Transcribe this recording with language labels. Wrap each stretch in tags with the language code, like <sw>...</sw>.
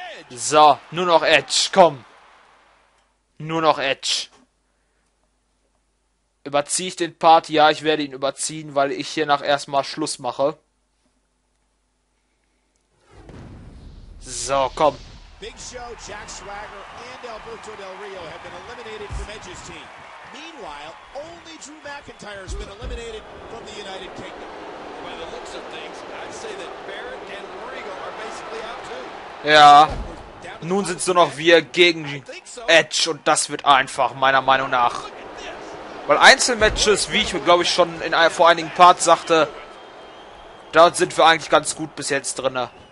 <de>So, nur noch Edge, komm. Nur noch Edge. Überziehe ich den Part? Ja, ich werde ihn überziehen, weil ich hiernach erstmal Schluss mache. So, komm.</de> <en>Big Show, Jack Swagger and Alberto Del Rio have been eliminated from Edge's team. Meanwhile, only Drew McIntyre has been eliminated from the United Kingdom. By the looks of things, I'd say that Barrett and Regal are basically out too.</en> <de>Ja, nun sind es nur noch wir gegen Edge und das wird einfach, meiner Meinung nach. Weil Einzelmatches, wie ich glaube ich schon in vor einigen Parts sagte, da sind wir eigentlich ganz gut bis jetzt drin.</de>